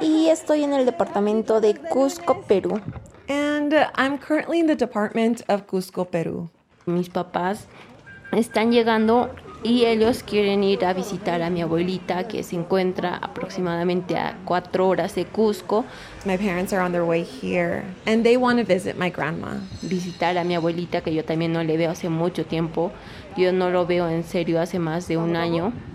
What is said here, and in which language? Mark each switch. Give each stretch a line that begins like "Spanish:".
Spanish: Y estoy en el departamento de Cusco, Perú.
English: And I'm currently in the department of Cusco, Perú.
Spanish: Mis papás están llegando y ellos quieren ir a visitar a mi abuelita, que se encuentra aproximadamente a 4 horas de Cusco.
English: My parents are on their way here, and they want to visit my grandma.
Spanish: Visitar a mi abuelita, que yo también no le veo hace mucho tiempo. Yo no lo veo en serio hace más de un año.